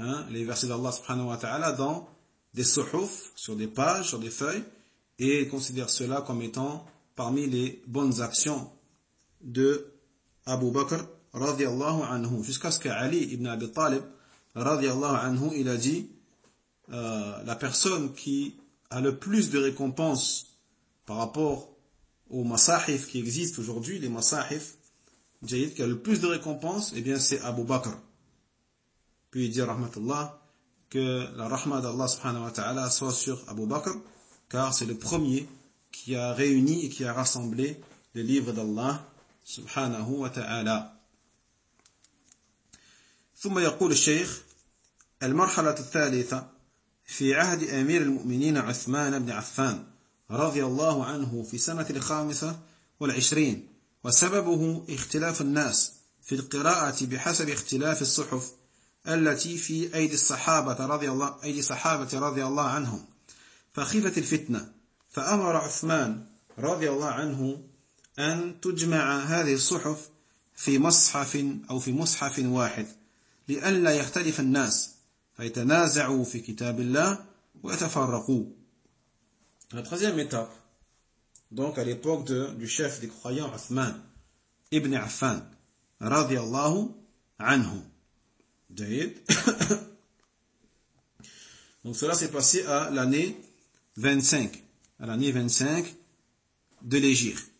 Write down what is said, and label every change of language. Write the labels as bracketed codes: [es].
[fr] les versets d'Allah subhanahu wa ta'ala dans des suhuf, sur des pages, sur des feuilles, et considère cela comme étant parmi les bonnes actions de Abu Bakr radiallahu anhu, jusqu'à ce que Ali ibn Abi Talib radiallahu anhu, il a dit, la personne qui a le plus de récompenses par rapport aux masahif qui existent aujourd'hui, les masahif, Jayid, qui a le plus de récompenses, eh bien c'est Abu Bakr. Puis il dit rahmatullah, que la rahma d'Allah subhanahu wa ta'ala soit sur Abu Bakr, car c'est le premier qui a réuni et qui a rassemblé les livres d'Allah subhanahu wa ta'ala. [ar] ثم يقول الشيخ المرحلة الثالثة في عهد أمير المؤمنين عثمان بن عفان رضي الله عنه في سنة 25 وسببه اختلاف الناس في القراءة بحسب اختلاف الصحف التي في أيدي الصحابة رضي الله عنهم فخفت الفتنة فأمر عثمان رضي الله عنه أن تجمع هذه الصحف في مصحف أو في مصحف واحد لئلا يختلف الناس فيتنازعوا في كتاب الله ويتفرقوا. [fr] La troisième étape, donc à l'époque du chef des croyants Othman ibn Affan radiallahu anhu, Donc cela s'est passé à l'année 25, à l'année 25 de l'Égir.